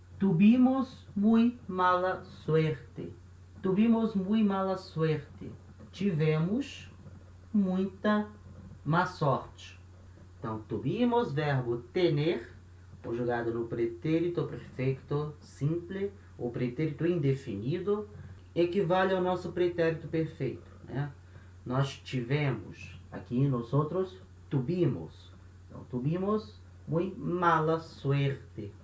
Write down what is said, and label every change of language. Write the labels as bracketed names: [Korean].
[Spanish] Tuvimos muy mala suerte, tuvimos muy mala suerte, [Portuguese] tivemos muita má sorte. Então, tuvimos, verbo tener, conjugado no pretérito perfeito simple, ou pretérito indefinido, equivale ao nosso pretérito perfeito. Né? Nós tivemos, aqui nós outros, tuvimos. [Spanish] Então, tuvimos muy mala suerte.